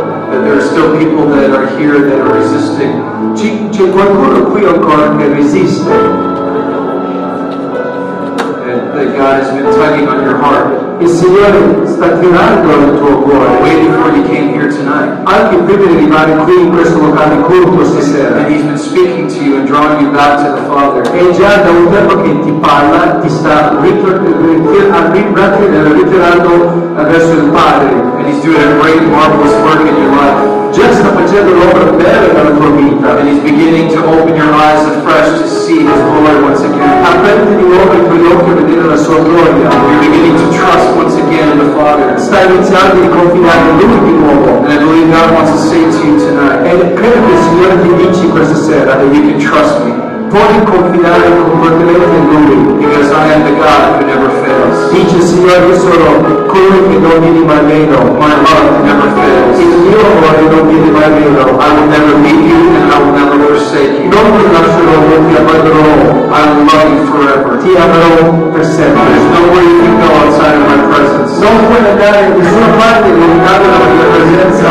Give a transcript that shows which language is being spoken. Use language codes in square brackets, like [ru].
[en] That there are still people that are here that are resisting. [it] C'è qualcuno qui ancora che resiste. [en] That God has been tugging on your heart. [it] Il Signore sta tirando il tuo cuore. [en] Way before you came here tonight. [it] Anche prima di arrivare qui in questo locale culto stasera. [en] And He's been speaking to you and drawing you back to the Father. [it] E già da un tempo che ti parla, ti sta ritirando verso il Padre. [en] And He's doing a great marvelous work in your life. [it] Già sta facendo l'opera bella nella tua vita. [en] And He's beginning to open your eyes afresh to see His glory once again. [it] Aprendi di nuovo i tuoi occhi a vedere la sua gloria. [en] You're beginning to trust once again in the Father. [it] Stai iniziando a confidare in Lui di nuovo. [en] And I believe God wants to say to you tonight. [it] E credo che il Signore ti dice questa sera. [en] That you can trust me. [it] Puoi confidare completamente in Lui. [en] Because I am the God who never fails. [it] Dice il Signore, io sono colui che non viene mai meno. [en] My love never fails. [it] Il mio amore non viene mai meno. [en] I will never leave you and I will never forsake you. [it] Non ti lascerò, non ti abbandonerò. [en] I will love you forever. [it] Ti amerò per sempre. [en] There's nowhere you can go outside of my presence. [it] Non puoi andare in nessuna parte lontano dalla mia presenza.